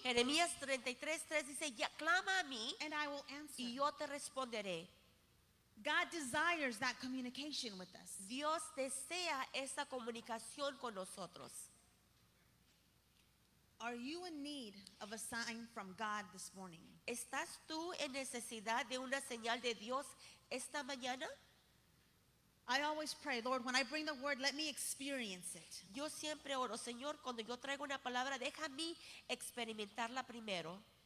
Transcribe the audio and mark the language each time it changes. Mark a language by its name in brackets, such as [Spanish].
[Spanish] Jeremías 33:3 dice, ya clama a mí, [English] and I will answer, [Spanish] y yo te responderé. [English] God desires that communication with us. [Spanish] Dios desea esa comunicación con nosotros. [English] Are you in need of a sign from God this morning? [Spanish] ¿Estás tú en necesidad de una señal de Dios esta mañana? [English] I always pray, Lord, when I bring the word, let me experience it. [Spanish] Yo siempre oro, Señor, cuando yo traigo una palabra, déjame experimentarla primero.